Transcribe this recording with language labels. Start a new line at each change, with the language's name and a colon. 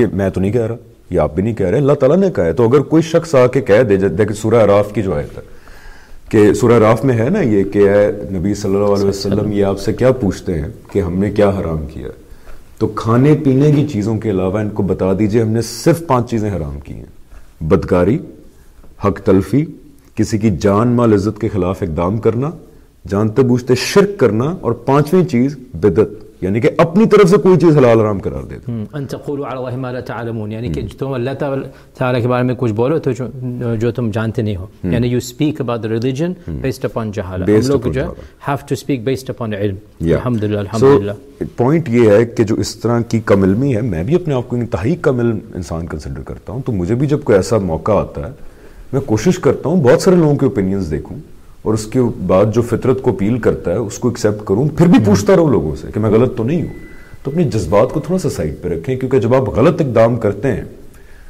Urdu: یہ میں تو نہیں کہہ رہا، یہ آپ بھی نہیں کہہ رہے، اللہ تعالیٰ نے کہا ہے. تو اگر کوئی شخص آ کے کہہ دے، دیکھیں سورہ اعراف کی جو آیت ہے، کہ سورہ اعراف میں ہے نا یہ کہ اے نبی صلی اللہ علیہ وسلم، یہ آپ سے کیا پوچھتے ہیں کہ ہم نے کیا حرام کیا؟ تو کھانے پینے کی چیزوں کے علاوہ ان کو بتا دیجئے ہم نے صرف پانچ چیزیں حرام کی ہیں: بدکاری، حق تلفی، کسی کی جان مال عزت کے خلاف اقدام کرنا، جانتے بوجھتے شرک کرنا، اور پانچویں چیز بدعت، یعنی کہ اپنی طرف سے کوئی چیز حلال حرام قرار دے دیں.
Arabic: ان تقولوا علی اللہ ما لا تعلمون،
Urdu: یعنی کہ تم اللہ تعالی کے بارے میں کچھ بولو تو جو تم جانتے نہیں ہو.
English: یعنی you speak about the religion based upon جہالہ.
Urdu: ہم لوگ جو
English: Have to speak based upon علم. الحمدللہ الحمدللہ.
Urdu: پوائنٹ یہ ہے کہ جو اس طرح کی کم علمی ہے، میں بھی اپنے آپ کو انتہائی کم علم انسان کنسیڈر کرتا ہوں، تو مجھے بھی جب کوئی ایسا موقع آتا ہے میں کوشش کرتا ہوں بہت سارے لوگوں کے اوپینینس دیکھوں، اور اس کے بعد جو فطرت کو اپیل کرتا ہے اس کو ایکسیپٹ کروں، پھر بھی پوچھتا رہوں لوگوں سے کہ میں غلط تو نہیں ہوں. تو اپنے جذبات کو تھوڑا سا سائڈ پہ رکھیں، کیونکہ جب آپ غلط اقدام کرتے ہیں